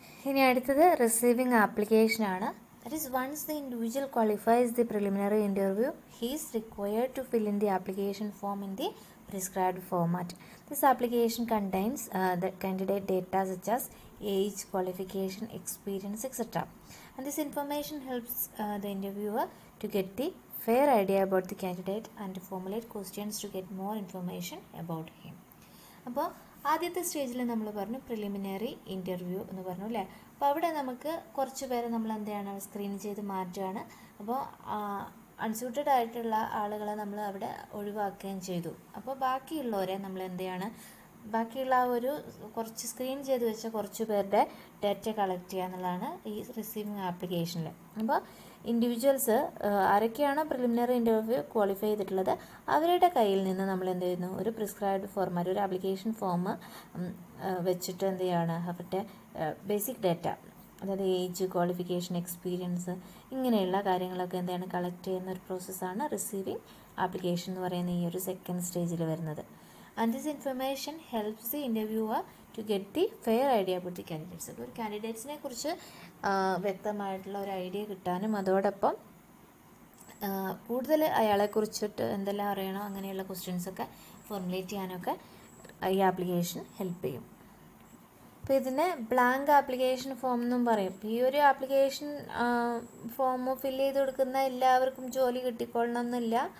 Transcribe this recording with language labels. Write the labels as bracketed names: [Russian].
[Malayalam] ഇനി അടുത്തത് receiving application ആണ്. [English] That is once the individual qualifies the preliminary interview, he's required to fill in the application form in the prescribed format. This application contains the candidate data such as age, qualification, experience etcetera. And this information helps the interviewer to get the fair idea about the candidate and to formulate questions to get more information about him. [Malayalam] അപ്പോൾ ആദ്യത്തെ സ്റ്റേജിൽ നമ്മൾ പറഞ്ഞു preliminary interview എന്ന് പറഞ്ഞു അല്ലേ. അപ്പോൾ അവിടെ നമുക്ക് കുറച്ച് പേരെ നമ്മൾ എന്തെയാണ് സ്ക്രീൻ ചെയ്ത് മാറ്റുകയാണ്. അപ്പോൾ അൺസ്യൂട്ടഡ് ആയിട്ടുള്ള ആളുകളെ നമ്മൾ അവിടെ ഒഴിവാക്കുകയും ചെയ്തു. അപ്പോൾ ബാക്കിയുള്ളവരെ നമ്മൾ എന്തെയാണ് ബാക്കിയുള്ള ആ ഒരു കുറച്ച് സ്ക്രീൻ ചെയ്ത് വെച്ച കുറച്ച് പേരുടെ ഡേറ്റ കളക്ട് ചെയ്യുക എന്നുള്ളതാണ് ഈ റിസീവിങ് ആപ്ലിക്കേഷനിൽ. അപ്പോൾ ഇൻഡിവിജ്വൽസ് ആരൊക്കെയാണ് പ്രിലിമിനറി ഇൻ്റർവ്യൂ ക്വാളിഫൈ ചെയ്തിട്ടുള്ളത് അവരുടെ കയ്യിൽ നിന്ന് നമ്മൾ എന്ത് ചെയ്യുന്നു ഒരു പ്രിസ്ക്രൈബ്ഡ് ഫോമാറ്റ്, ഒരു ആപ്ലിക്കേഷൻ ഫോം വെച്ചിട്ട് എന്ത് ചെയ്യുകയാണ് അവരുടെ ബേസിക് ഡേറ്റ, അതായത് ഏജ്, ക്വാളിഫിക്കേഷൻ, എക്സ്പീരിയൻസ് ഇങ്ങനെയുള്ള കാര്യങ്ങളൊക്കെ എന്താണ് കളക്ട് ചെയ്യുന്ന ഒരു പ്രോസസ്സാണ് റിസീവിങ് ആപ്ലിക്കേഷൻ എന്ന് പറയുന്ന ഈ ഒരു സെക്കൻഡ് സ്റ്റേജിൽ വരുന്നത്. [English] And this information helps the interviewer to get the fair idea about the candidates. [Malayalam] So, ഒരു കാൻഡിഡേറ്റ്സിനെ കുറിച്ച് വ്യക്തമായിട്ടുള്ള ഒരു ഐഡിയ കിട്ടാനും അതോടൊപ്പം കൂടുതൽ അയാളെക്കുറിച്ചിട്ട് എന്തെല്ലാം അറിയണോ അങ്ങനെയുള്ള ക്വസ്റ്റ്യൻസൊക്കെ ഫോർമുലേറ്റ് ചെയ്യാനൊക്കെ ഈ ആപ്ലിക്കേഷൻ ഹെൽപ്പ് ചെയ്യും. അപ്പോൾ ഇതിനെ ബ്ലാങ്ക് ആപ്ലിക്കേഷൻ ഫോം എന്നും പറയും. ഈ ഒരു ആപ്ലിക്കേഷൻ ഫോം ഫില്ല് ചെയ്ത് കൊടുക്കുന്ന എല്ലാവർക്കും ജോലി കിട്ടിക്കൊള്ളണമെന്നില്ല.